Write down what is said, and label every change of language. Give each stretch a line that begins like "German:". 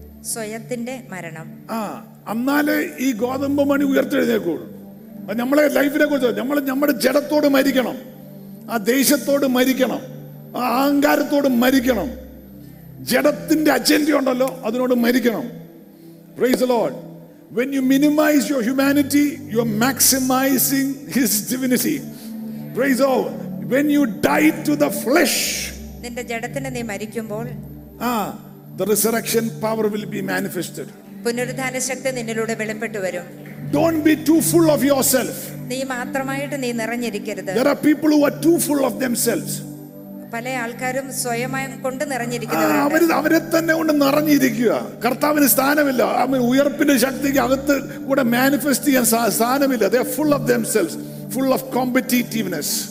Malayalam: സ്വയത്തിന്റെ മരണം. എന്നാലേ ഈ ഗോതമ്പ് മണി ഉയർത്തെഴുന്നേക്കുള്ളൂ. നമ്മളെ ലൈഫിനെ കുറിച്ച്, നമ്മുടെ ജഡത്തോട് മരിക്കണം. ആ ദേഷ്യത്തോട് മരിക്കണം. ആ അഹങ്കാരത്തോട് മരിക്കണം. ജഡത്തിന്റെ അജണ്ട ഉണ്ടല്ലോ, അതിനോട് മരിക്കണം.
English: Praise the Lord. When you minimize your humanity, you are maximizing his divinity. Praise the Lord. When you die to the flesh,
Malayalam: നിന്റെ ജഡത്തിനെ നീ മരിക്കുമ്പോൾ,
English: the resurrection power will be manifested.
Malayalam: പുനരുത്ഥാന ശക്തി നിന്നിലൂടെ വെളിപ്പെട്ടു വരും.
English: Don't be too full of yourself.
Malayalam: നീ മാത്രമായിട്ട് നീ നിറഞ്ഞിരിക്കരുത്.
English: There are people who are too full of themselves.
Malayalam: പല ആൾക്കാരും സ്വയമായും കൊണ്ട് നിറഞ്ഞിരിക്കുന്നവരുണ്ട്. അവരെ തന്നെ കൊണ്ട് നിറഞ്ഞിരിക്കുക. കർത്താവിന് സ്ഥാനമില്ല. അവൻ ഉയർപ്പിന്റെ ശക്തിക്ക് അകത്ത് കൂടെ മാനിഫെസ്റ്റ് ചെയ്യാൻ സ്ഥാനമില്ല.
English: They are full of themselves, full of competitiveness.